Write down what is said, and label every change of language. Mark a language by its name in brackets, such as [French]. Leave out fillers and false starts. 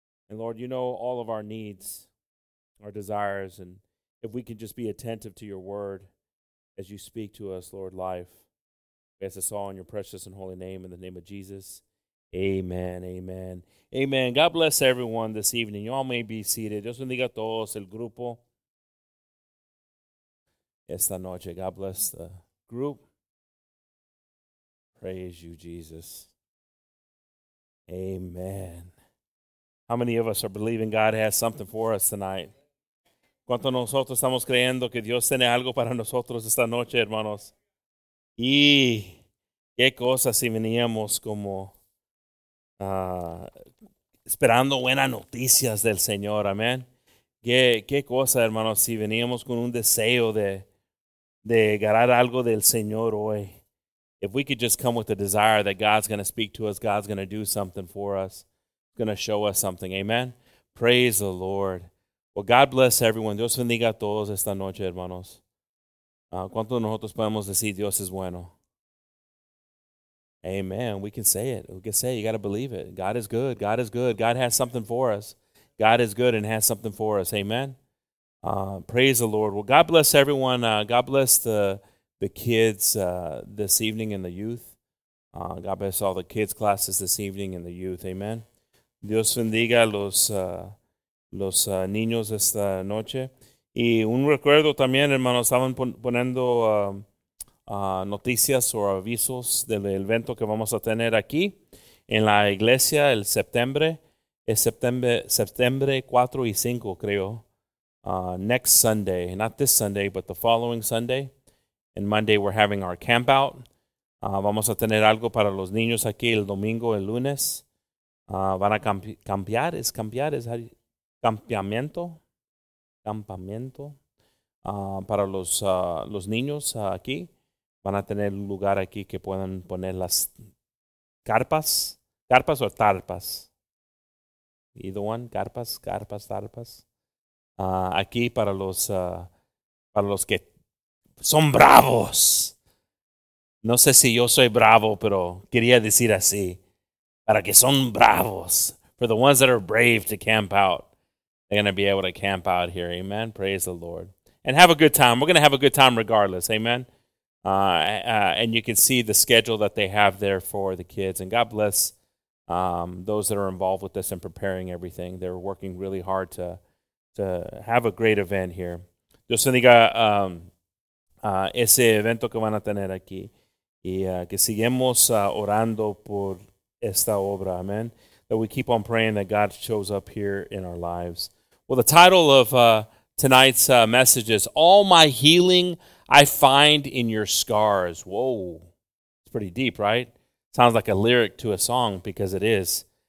[English] And Lord, you know all of our needs, our desires, and if we can just be attentive to your Word as you speak to us, Lord, life. We ask this all in your precious and holy name, in the name of Jesus. Amen, amen, amen. God bless everyone this evening. You all may be seated. [Spanish] Dios bendiga a todos el grupo esta noche. [English] God bless the group. Praise you, Jesus. Amen. How many of us are believing God has something for us tonight? [Spanish] ¿Cuánto nosotros estamos creyendo que Dios tiene algo para nosotros esta noche, hermanos? Y qué cosas si veníamos como esperando buenas noticias del Señor, amén. ¿Qué cosa, hermanos, si veníamos con un deseo de ganar algo del Señor hoy? [English] If we could just come with the desire that God's going to speak to us, God's going to do something for us, going to show us something, amen. Praise the Lord. Well, God bless everyone. [Spanish] Dios bendiga a todos esta noche, hermanos. ¿Cuántos de nosotros podemos decir Dios es bueno? [English] Amen. We can say it. We can say it. You got to believe it. God is good. God is good. God has something for us. God is good and has something for us. Amen. Praise the Lord. Well, God bless everyone. God bless the kids this evening and the youth. God bless all the kids' classes this evening and the youth. [Spanish] Amen. Dios bendiga los niños esta noche. Y un recuerdo también, hermanos, estaban poniendo noticias o avisos del evento que vamos a tener aquí en la iglesia el septiembre. Es septiembre 4 y 5, creo. [English] Next Sunday, not this Sunday, but the following Sunday. And Monday we're having our camp out. [Spanish] Vamos a tener algo para los niños aquí el domingo, el lunes. Van a campear, es campear, es campamento. Campamento para los niños aquí. Van a tener un lugar aquí que puedan poner las carpas. ¿Carpas o tarpas? [English] Either one, [Spanish] carpas, tarpas. Aquí para los que son bravos. No sé si yo soy bravo, pero quería decir así. Para que son bravos. [English] For the ones that are brave to camp out. They're going to be able to camp out here. Amen. Praise the Lord. And have a good time. We're going to have a good time regardless. Amen. And you can see the schedule that they have there for the kids. And God bless those that are involved with this and preparing everything. They're working really hard to have a great event here. [Spanish] Dios bendiga ese evento que van a tener aquí. Y que sigamos orando por esta obra. Amen. [English] That we keep on praying that God shows up here in our lives. Well, the title of tonight's message is All My Healing I Find in Your Scars. Whoa, it's pretty deep, right? Sounds like a lyric to a song, because it is.